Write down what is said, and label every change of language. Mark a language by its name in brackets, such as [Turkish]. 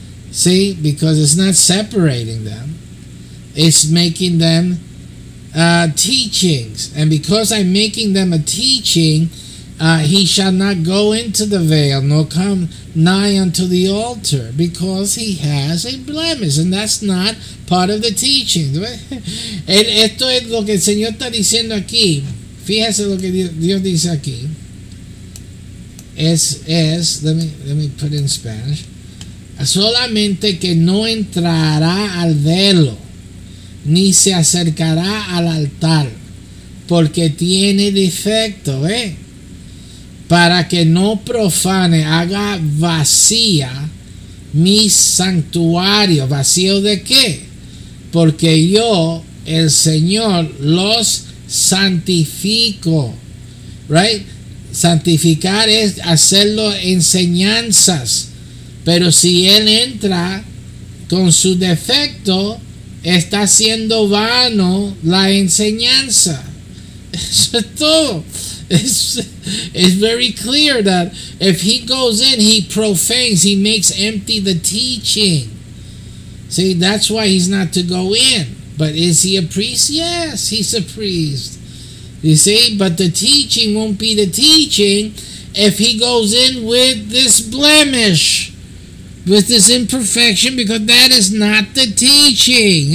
[English] See, because it's not separating them, it's making them teachings. And because I'm making them a teaching, he shall not go into the veil, nor come nigh unto the altar, because he has a blemish. And that's not part of the teaching. [Spanish] Esto es lo que el Señor está diciendo aquí. Fíjese lo que Dios dice aquí. [English] Let me put it in Spanish. [Spanish] solamente que no entrará al velo, ni se acercará al altar, porque tiene defecto, ¿eh? Para que no profane, haga vacía mi santuario. ¿Vacío de qué? Porque yo, el Señor, los santifico. Right? Santificar es hacerlo enseñanzas. Pero si él entra con su defecto, está haciendo vano la enseñanza. Eso es todo. [English] It's very clear that if he goes in, he profanes, he makes empty the teaching. See, that's why he's not to go in. But is he a priest? Yes, he's a priest. You see, but the teaching won't be the teaching if he goes in with this blemish, with this imperfection, because that is not the teaching.